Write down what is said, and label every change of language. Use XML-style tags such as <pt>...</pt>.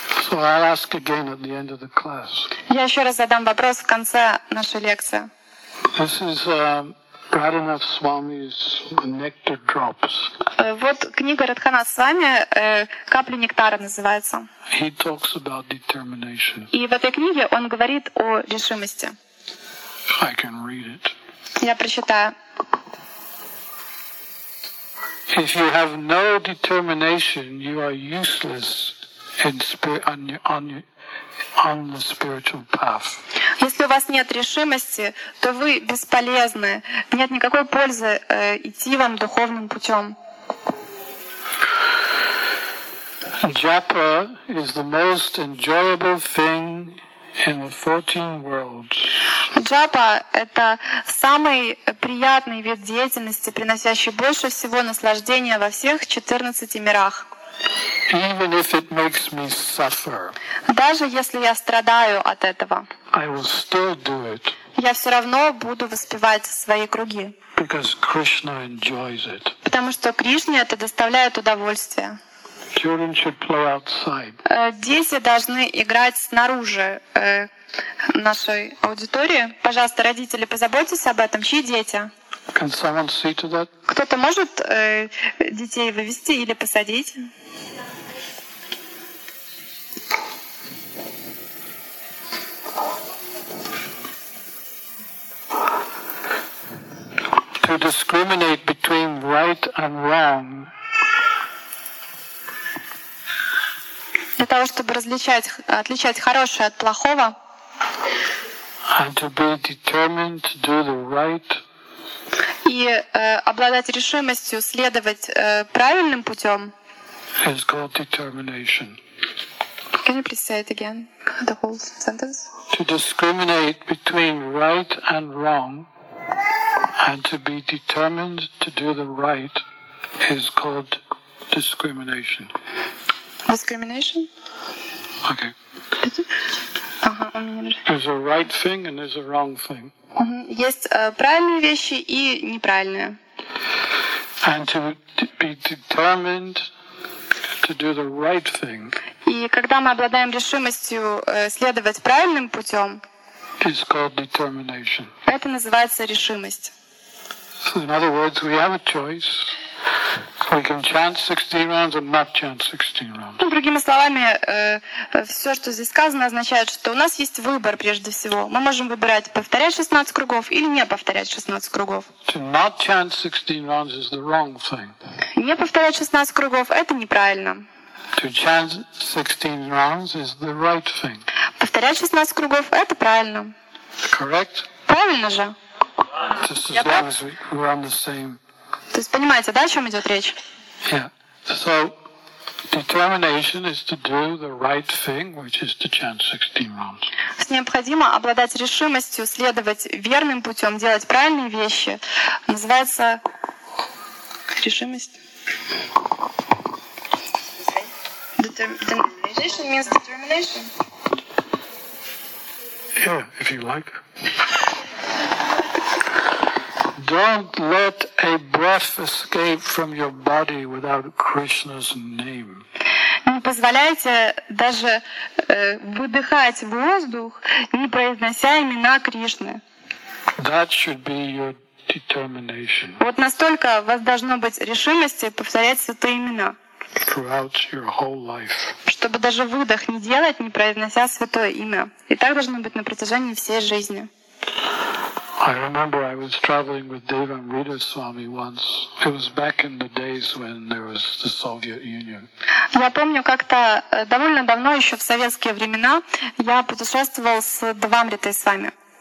<en>So I'll ask again at the end of the class.</en> <ru>Я еще раз задам вопрос в конце нашей лекции.</ru> <en>This is Radhanath Swami's Nectar Drops.</en> <ru>Вот книга Радханат Свами «Капли нектара» называется.</ru> <en>He talks about determination.</en> <ru>И в этой книге он говорит о решимости.</ru> <en>I can read it.</en> <ru>Я прочитаю.</ru> <en>If you have no determination, you are useless in spirit on the spiritual path.</en> <ru>Если у вас нет решимости, то вы бесполезны. Нет никакой пользы идти вам духовным путем.</ru> <en>Japa is the most enjoyable thing in the 14 worlds.</en> <ru>Джапа — это самый приятный вид деятельности, приносящий больше всего наслаждения во всех 14 мирах.</ru> <en>Even if it makes me suffer,</en> <ru>даже если я страдаю от этого,</ru> <en>I will still do it,</en> <ru>я все равно буду воспевать свои круги,</ru> <en>because Krishna enjoys it.</en> <ru>Потому что Кришне это доставляет удовольствие.</ru> <en>Children should play outside.</en> <ru>Дети должны играть снаружи нашей аудитории. Пожалуйста, родители, позаботьтесь об этом. Чьи дети?</ru> <en>Can someone see to that?</en> <ru>Кто-то может детей вывести или посадить?</ru> <en>To discriminate between right and wrong.</en> <ru>Для того, чтобы отличать хорошее от плохого.</ru> <en>And to be determined to do the right.</en> <ru>И обладать решимостью следовать правильным путем.</ru> <en>It's called determination. Can you please say it again, the whole sentence? To discriminate between right and wrong, and to be determined to do the right, is called discrimination. Discrimination? Okay. There's a right thing and there's a wrong thing.</en> <ru>Есть правильные вещи и неправильные.</ru> <en>And to be determined to do the right thing.</en> <ru>И когда мы обладаем решимостью следовать правильным путем,</ru> <en>it's called determination.</en> <ru>Это называется решимость.</ru> <en>So in other words, we have a choice. We can chant 16 rounds or not chant 16 rounds.</en> <ru>Ну, другими словами, все, что здесь сказано, означает, что у нас есть выбор прежде всего. Мы можем выбирать, повторять 16 кругов или не повторять 16 кругов.</ru> <en>To not chant 16 rounds is the wrong thing.</en> <ru>Не повторять 16 кругов — это неправильно.</ru> <en>To chant 16 rounds is the right thing.</en> <ru>Повторять 16 кругов — это правильно.</ru> <en>Correct?</en> <ru>Правильно же.</ru> <en>Just as long as we're on the same.</en> <ru>То есть понимаете, да, о чем идет речь?</ru> <en>Yeah. So determination is to do the right thing, which is to chant 16 rounds.</en> <ru>С необходимо обладать решимостью следовать верным путем, делать правильные вещи, называется решимость.</ru> <en>Determination means determination. Yeah, if you like. Don't let a breath escape from your body without Krishna's name. Не позволяйте даже выдыхать воздух, не произнося имена Кришны. That should be your determination. Вот настолько у вас должно быть решимости повторять святые имена. Throughout your whole life.</en> <ru>Чтобы даже выдох не делать, не произнося святое имя. И так должно быть на протяжении всей жизни.</ru> <en>I remember I was traveling with Devamrita Swami once. It was back in the days when there was the Soviet Union.</en> <ru>Я помню, как-то довольно давно, еще в советские времена, я путешествовал с Девамритой Свами.</ru>